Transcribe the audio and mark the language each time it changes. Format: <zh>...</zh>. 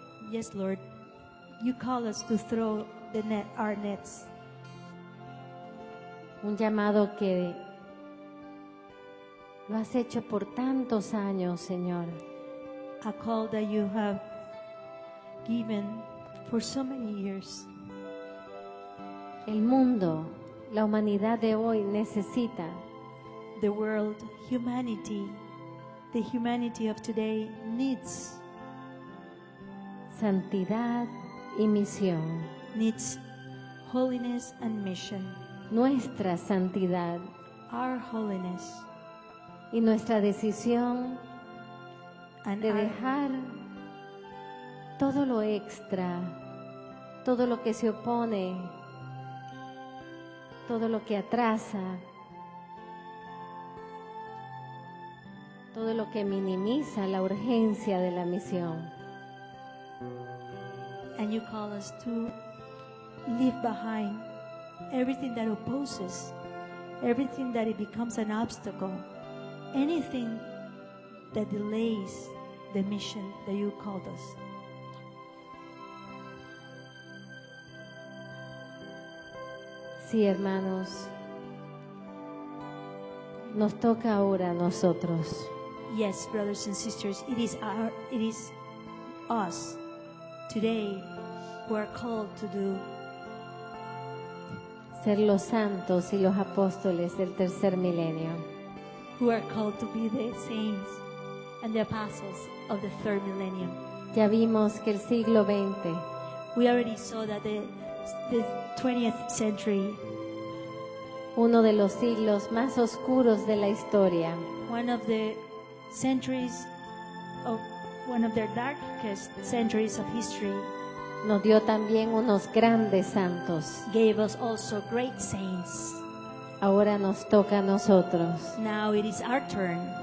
<en>Yes, Lord, you call us to throw the net, our nets.</en> <es>Un llamado que lo has hecho por tantos años, Señor.</es> <en>A call that you have given for so many years.</en> <es>El mundo, la humanidad de hoy necesita.</es> <en>The world, humanity, the humanity of today needs</en> <es>santidad y misión.</es> <en>Needs holiness and mission.</en> <es>Nuestra santidad.</es> <en>Our holiness.</en> <es>Y nuestra decisión</es> <en>and</en> <es>de dejar todo lo extra, todo lo que se opone, todo lo que atrasa, todo lo que minimiza la urgencia de la misión.</es> <en>And you call us to leave behind everything that opposes, everything that it becomes an obstacle, anything that delays the mission that you called us.</en> <es>Sí, hermanos, nos toca ahora a nosotros.</es> <en>Yes, brothers and sisters, it is us today who are called to do.</en> <es>Ser los santos y los apóstoles del tercer milenio.</es> <en>Who are called to be the saints and the apostles of the third millennium.</en> <es>Ya vimos que el siglo 20.</es> <en>We already saw that the 20th century.</en> <es>Uno de los siglos más oscuros de la historia.</es> <en>One of the centuries of one of their darkest centuries of history.</en> <es>Nos dio también unos grandes santos.</es> <en>Gave us also great saints.</en> <es>Ahora nos toca a nosotros.</es> <en>Now it is our turn.</en>